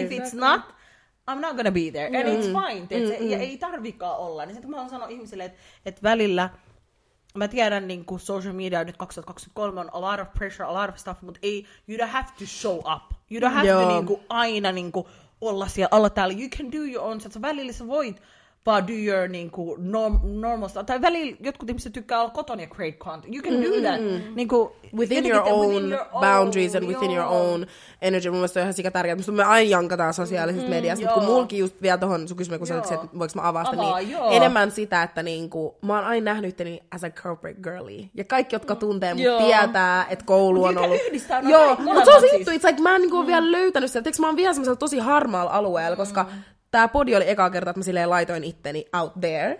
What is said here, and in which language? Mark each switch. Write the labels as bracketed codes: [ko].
[en] If it's not, I'm not gonna be there. And it's fine. [fi] Ja ei tarvikaan olla. Niin sitten mä haluan sanoa ihmisille, että välillä, mä tiedän, niin kuin social media nyt 2023 on [en] a lot of pressure, a lot of stuff, [fi] mutta ei, [en] you don't have to show up. You don't have to [fi] niin kuin, aina niin kuin, olla siellä, olla täällä. [en] You can do your own. [fi] Sä välillä sä voit vaan [en] do your [fi] niin kuin, [en] normal stuff. [fi] Tai välillä jotkut ihmiset tykkää olla kotona ja [en] create content. You can do that. Niin kuin, within your own boundaries and within your own energy. [fi] Mun mielestä on ihan sikä tärkeä. Musta me aina jankataan sosiaalisista mediasta. Kun mulki just vielä tohon sun kysymykseen, kun sä olet, että voiko mä avaa sitä, niin enemmän sitä, että niinku, mä oon aina nähnyt itteni [en] as a corporate girly. [fi] Ja kaikki, jotka tuntee mut, tietää, että koulu on ollut. Mutta se on siis juttu. Like, mä en niinku vielä löytänyt sitä. Mä oon vielä semmoisella tosi harmaalla alueella, koska tää podi oli eka kerta, että mä silleen laitoin itteni [en] out there.